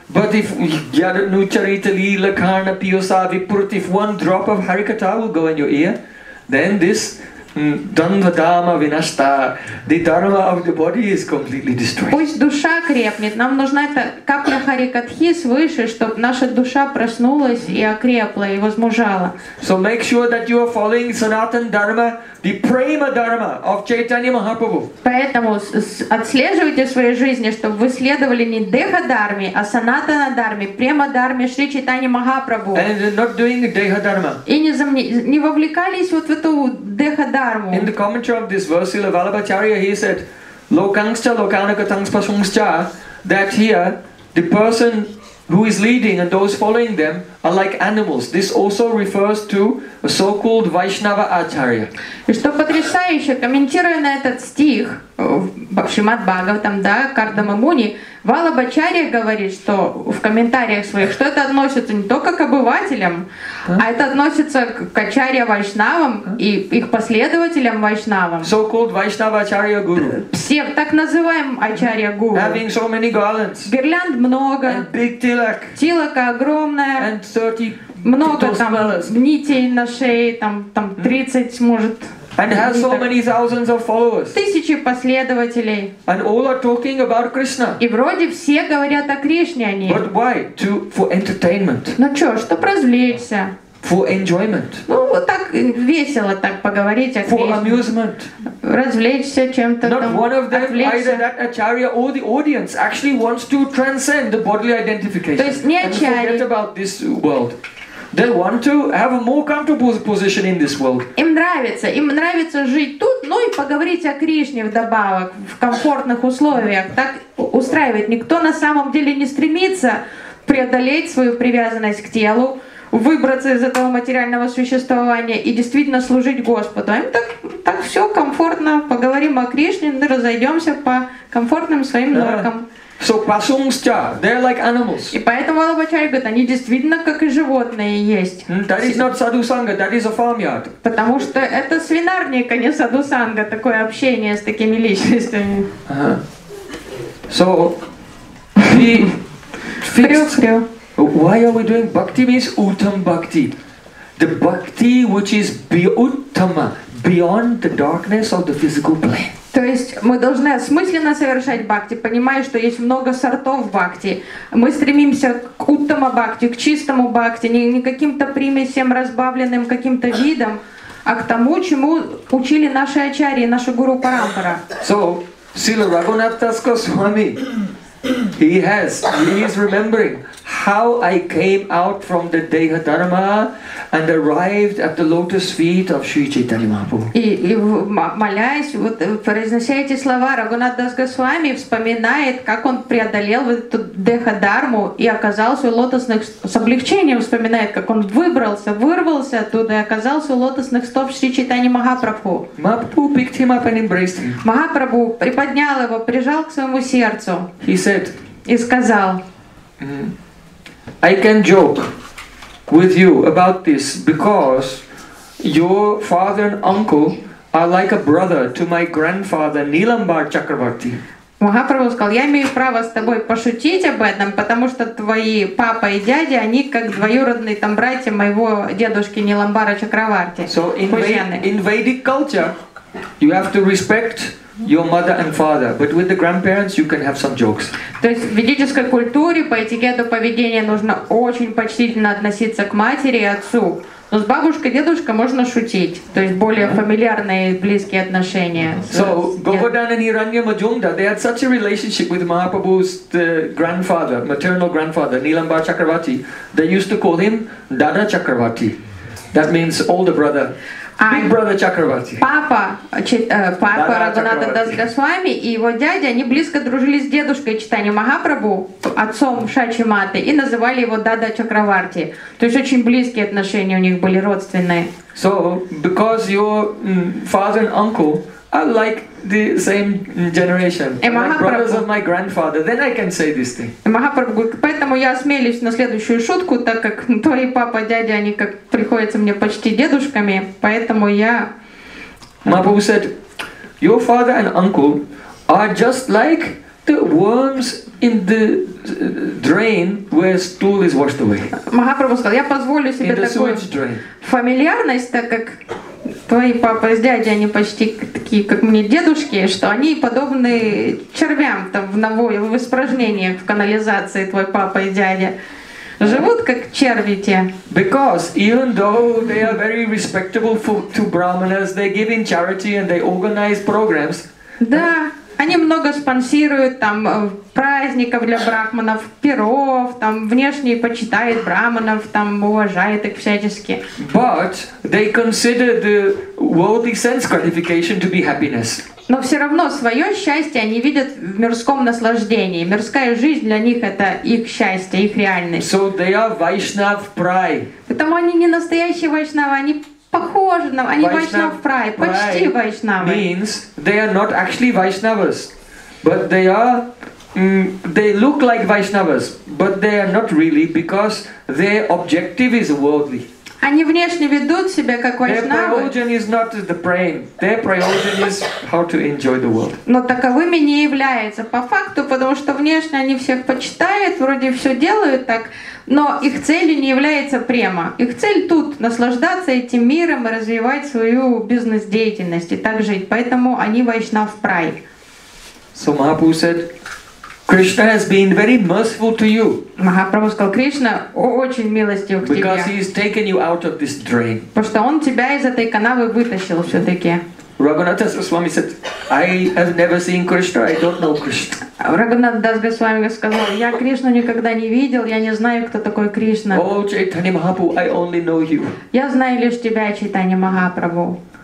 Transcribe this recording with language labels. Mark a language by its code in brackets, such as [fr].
[en] But if [sa] Yadanu Charita Lila Karna Piyosa Vipurti, [en] if one drop of Harikata will go in your ear, then this [sa] Данва дама винашта, дитарва [en] of the body is completely destroyed. [ru] Пусть душа крепнет. Нам нужна эта капля харикатхи свыше, чтобы наша душа проснулась и окрепла и возмужала. [en] So make sure that you are following Sanatan Dharma, the prema dharma of Chaitanya Mahaprabhu. [ru] Поэтому отслеживайте в своей жизни, чтобы вы следовали не деха дарме, а санатана дарме, према дарме Шри Чайтани Махапрабху. [en] And not doing деха дарма. [ru] И не вовлекались вот в эту деха дарму. [en] In the commentary of this verse, Srila Vallabhacharya, he said, [sa] lokangscha lokanaka tangspasungscha, [en] that here the person who is leading and those following them are like animals. This also refers to a so-called Vaishnava Acharya. [ru] И что потрясающе, комментируя на этот стих в Шримад Бхагаватам, да, Кардама Муни, Валабхачарья говорит, что в комментариях своих, что это относится не только к обывателям, а это относится к Ачарья Вайшнавам и их последователям Вайшнавам. [en] So-called Vaishnava Acharya Guru. [ru] Все так называем Ачарья Гуру. [en] Having so many garlands. [ru] Гирлянд много. [en] And big tilak. [ru] Тилака огромная. [en] And 30 [ru] много там нитей на шее, там 30 может. [en] And has so many thousands of followers. [ru] Тысячи последователей. [en] And all are talking about Krishna. [ru] И вроде все говорят о Кришне они. [en] But why? For entertainment. [ru] Ну чё, чтоб развлечься. [en] For enjoyment. [ru] Ну вот так весело так поговорить о Кришне. [en] For amusement. [ru] Развлечься чем-то [en] Not [ru] там. [en] Not one of them, either that acharya or the audience, actually wants to transcend the bodily identification. [ru] То есть не [en] acharya. And forget about this world. They want to have a more comfortable position in this world. [ru] Им нравится жить тут, ну и поговорить о Кришне вдобавок в комфортных условиях. Так устраивает. Никто на самом деле не стремится преодолеть свою привязанность к телу, выбраться из этого материального существования и действительно служить Господу. Им так все комфортно. Поговорим о Кришне, ну, разойдемся по комфортным своим норкам. [en] So pasungscha, they're like animals. [ru] И поэтому Валабхачарья говорит, они действительно как и животные есть. [en] That is not sadhusanga, that is a farmyard. [ru] Потому что это свинарник, а не садусанга, такое общение с такими личностями. [en] So we fixed. Why are we doing bhakti means uttam bhakti? The bhakti which is uttama, beyond the darkness of the physical plane. [ru] То есть мы должны осмысленно совершать бхакти, понимая, что есть много сортов бхакти. Мы стремимся к уттама бхакти, к чистому бхакти, не к каким-то примесям, разбавленным каким-то видам, а к тому, чему учили наши ачарьи, наши гуру парампара. [en] So, Srila Raghunath Das Goswami, he is remembering how I came out from the Deha Dharma and arrived at the lotus feet of Sri Chaitanya Mahaprabhu. [ru] И молясь, вот произнося эти слова, Рагунат Дас Госвами вспоминает, как он преодолел эту Деха Дарму и оказался у лотосных с облегчением вспоминает, как он выбрался, вырвался оттуда и оказался у лотосных стоп Шри Чайтани Махапрабху. [en] Mahaprabhu picked him up and embraced him. [ru] Махапрабху приподнял его, прижал к своему сердцу. [en] He said, [ru] и сказал, [en] I can joke with you about this because your father and uncle are like a brother to my grandfather Nilambar Chakravarti. [ru] Махапрабху сказал, я имею право с тобой пошутить об этом, потому что твои папа и дяди, они как двоюродные там братья моего дедушки Ниламбара Чакраварти. [en] So in Vedic culture, you have to respect your mother and father, but with the grandparents you can have some jokes. [ru] То есть в ведической культуре по этикету поведения нужно очень почтительно относиться к матери и отцу, но с бабушкой, дедушкой можно шутить. То есть более фамильярные близкие отношения. [en] So Govardhana and Hiranya Majumdar, they had such a relationship with Mahaprabhu's grandfather, maternal grandfather Nilambar Chakravarti. They used to call him Dada Chakravarti. That means older brother. Big brother Chakravarti. [ru] Папа Рагуната Дас Госвами и его дядя, они близко дружили с дедушкой Чайтани Махапрабху, отцом Шачи Маты, и называли его Дада Чакраварти. То есть очень близкие отношения у них были, родственные. [en] So, because your father and uncle are like the same generation, like brothers of my grandfather, then I can say this thing. [ru] Махапрабху говорит, поэтому я осмелюсь на следующую шутку, так как твои папа, дядя, они как приходятся мне почти дедушками, поэтому я... [en] Махапрабху said, your father and uncle are just like the worms in the drain where stool is washed away. [ru] Махапрабху сказал, я позволю себе такую фамильярность, так как твои папа с дядей, они почти такие, как мне, дедушки, что они подобны червям там в навое, в испражнениях, в канализации, твой папа и дядя. Живут как черви те. [en] Because even though they are very respectable to brahmanas, they give in charity and they organize programs. [ru] Да, они много спонсируют там праздников для брахманов, пиров, там внешне почитают брахманов, там уважают их всячески. But they consider the worldly sense gratification to be happiness. Но все равно свое счастье они видят в мирском наслаждении. Мирская жизнь для них — это их счастье, их реальность. [en] So they are Vaishnav Prai. [ru] Потому они не настоящие вайшнавы, они похожи на... Они Vaishnav Prai, почти вайшнавы. [en] Means they are not actually Vaishnavas, but they are... they look like Vaishnavas, but they are not really, because their objective is worldly. [ru] Они внешне ведут себя как вайшнавы. [en] Their prayogen is not the praying. Their prayogen is how to enjoy the world. [ru] Но таковыми не являются по факту, потому что внешне они всех почитают, вроде все делают так, но их целью не является према. Их цель тут — наслаждаться этим миром и развивать свою бизнес-деятельность и так жить. Поэтому они вайшнав прай. [en] So Mahaprabhu said, Krishna has been very merciful to you. [ru] Махапрабху сказал, Кришна очень милостив к тебе. [en] Because he has taken you out of this drain. [ru] Потому что он тебя из этой канавы вытащил все-таки. [en] Raghunath Das Goswami said, I have never seen Krishna. I don't know Krishna. [ru] Raghunath Das Goswami сказал, я Кришну никогда не видел, я не знаю, кто такой Кришна. [en] Oh, Chaitanya Mahaprabhu, I only know you. [ru] Я знаю лишь тебя, Чайтанья Махапрабху.